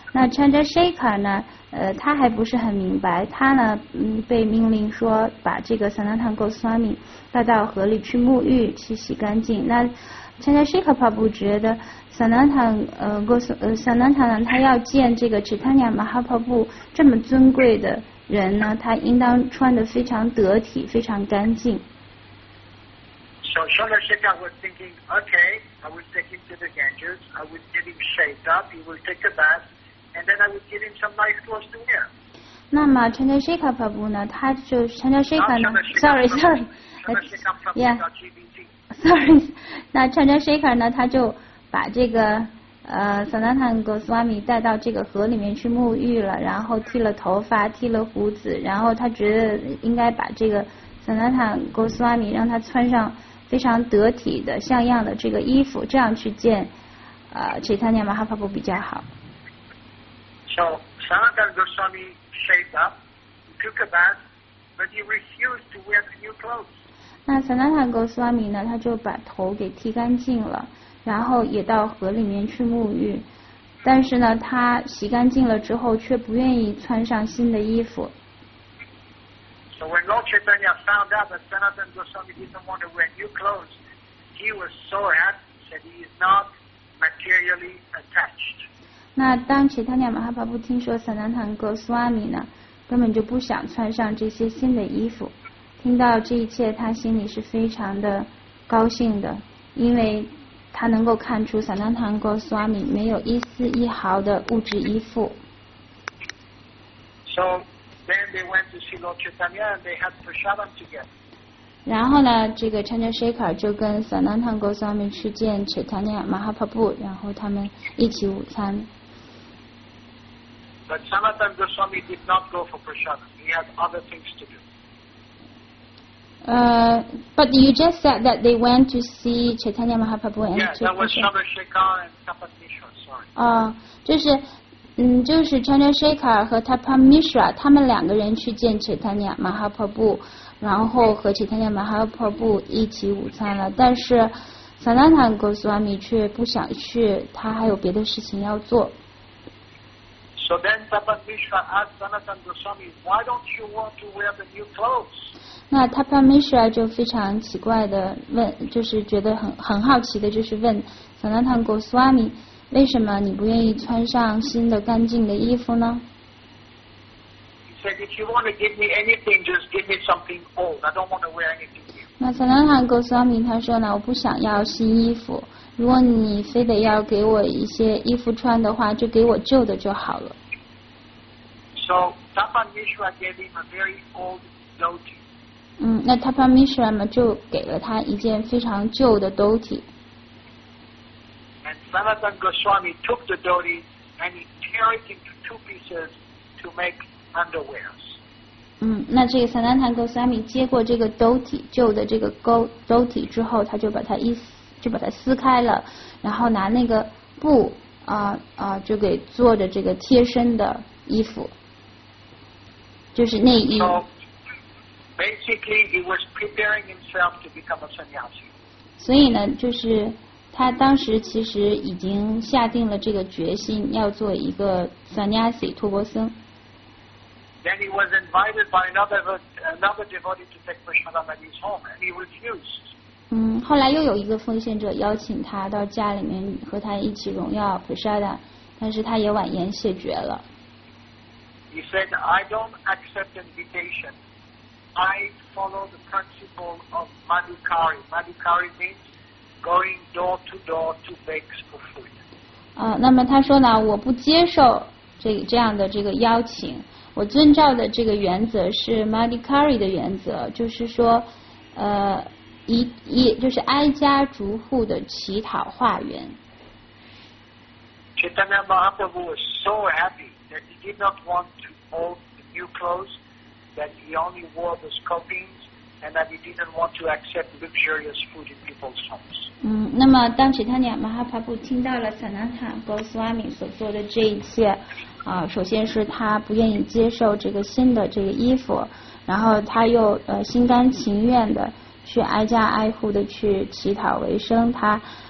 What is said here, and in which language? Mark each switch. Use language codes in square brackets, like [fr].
[zh] 那 Chandrasekhar 呢他还不是很明白，他呢被命令说把这个 Sanatan Goswami 带到河里去沐浴，去洗干净。那 Chandrasekhar Prabhu 觉得 Sanatan 他要见这个 Chaitanya Mahaprabhu 这么尊贵的人呢，他应当穿得非常得体，非常干净。 [en] So Chandra Shekhar was thinking, okay, I will take him to the Ganges, I will get him shaved up, he will take a bath, and then I will give him some nice clothes to wear. [zh] 那么 Chandra Shekhar Prabhu 呢，他就 Chandra Shekhar 呢 那 Chandra Shekhar 呢，他就把这个Sanatan Goswami 带到这个河里面去沐浴了，然后剃了头发，剃了胡子，然后他觉得应该把这个 Sanatan Goswami 让他穿上非常得体的像样的这个衣服，这样去见Chaitanya Mahaprabhu 比较好。 [en] So Sanatan Goswami shaved up, took a bath, but he refused to wear the new clothes. [zh] 那 Sanatan Goswami 呢，他就把头给剃干净了，然后也到河里面去沐浴，但是呢他洗干净了之后却不愿意穿上新的衣服。 [en] So when Lord Chaitanya found out that Sanatan Goswami didn't want to wear new clothes, he was so happy that he is not materially attached. [zh] 那当 Chaitanya Mahaprabhu 听说 Sanatan Goswami 呢，根本就不想穿上这些新的衣服，听到这一切，他心里是非常的高兴的，因为他能够看出 Sanatan Goswami 没有一丝一毫的物质依附。 [en] So. Then they went to see Lord Chaitanya and they had prasadam together. [zh] 然后呢，这个 Chandra Shekhar 就跟 Sanatan Goswami 去见 Chaitanya Mahaprabhu， 然后他们一起午餐。 [en] But Sanatan Goswami did not go for prasadam. He had other things to do. But you just said that they went to see Chaitanya Mahaprabhu and yeah, that was Chandra Shekhar and Tapatmishra. Sorry. [zh] 就是。就是 Chandra Shekhar 和 Tapamishra 他们两个人去见 Chaitanya Mahaprabhu， 然后和 Chaitanya Mahaprabhu 一起午餐了，但是 Sanatan Goswami 却不想去，他还有别的事情要做。 [en] So then Tapamishra asked Sanatan Goswami, why don't you want to wear the new clothes? [zh] 那 Tapamishra 就非常奇怪的问，就是觉得很好奇的，就是问 Sanatan Goswami，为什么你不愿意穿上新的干净的衣服呢？ [en] He said, if you want to give me anything, just give me something old. I don't want to wear anything new. [zh] 那 Sanatan Goswami 他说呢，我不想要新衣服。如果你非得要给我一些衣服穿的话，就给我旧的就好了。 [en] So, Tapamishra gave him a very old dhoti. [zh] 那 Tapamishra 嘛就给了他一件非常旧的 dhoti。 [en] Sanatan Goswami took the dhoti and he tore it into two pieces to make underwears. [zh] 那这个 Sanatan Goswami 接过这个 dhoti 旧的这个 dhoti 之后，他就把它撕开了，然后拿那个布就给做着这个贴身的衣服，就是内衣。 [en] So basically, he was preparing himself to become a sannyasi. [zh] 所以呢，就是。他当时其实已经下定了这个决心，要做一个 sannyasi 托钵僧。 [en] Then he was invited by another devotee to take prasadam at his home, and he refused. [zh] 后来又有一个奉献者邀请他到家里面和他一起荣耀 prasadam， 但是他也婉言谢绝了。 [en] He said, "I don't accept invitation. I follow the principle of madhukari. Madhukari means." Going door to door to beg for food. [zh] 那么他说呢，我不接受这样的这个邀请，我遵照的这个原则是 Madikari 的原则，就是说，就是挨家逐户的乞讨化缘。 [en] Chaitanya Mahaprabhu was so happy that he did not want to hold the new clothes, that he only wore the scorpions, and that he didn't want to accept luxurious food in people's homes. [zh] 那么当 Chaitanya Mahaprabhu 听到了 Sanatha Goswami 所做的这一切，首先是他不愿意接受这个新的这个衣服，然后他又心甘情愿的去挨家挨户的去乞讨为生，他